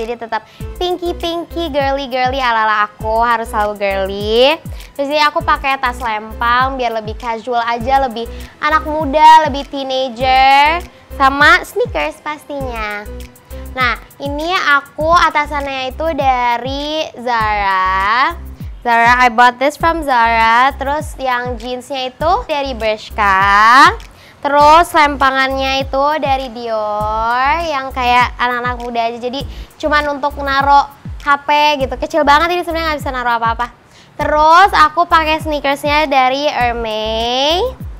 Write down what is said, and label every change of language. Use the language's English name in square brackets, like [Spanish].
[Indonesian] Jadi tetap pinky-pinky, girly-girly ala-ala aku, harus selalu girly. Terus ini aku pakai tas lempang biar lebih casual aja, lebih anak muda, lebih teenager, sama sneakers pastinya. Nah, ini aku atasannya itu dari Zara. [English] Zara, I bought this from Zara. [Indonesian] Terus yang jeansnya itu dari Bershka. Terus lempangannya itu dari Dior. Yang kayak anak-anak muda aja. Jadi cuman untuk naro HP gitu. Kecil banget ini sebenarnya, nggak bisa naro apa-apa. Terus aku pakai sneakersnya dari Hermes.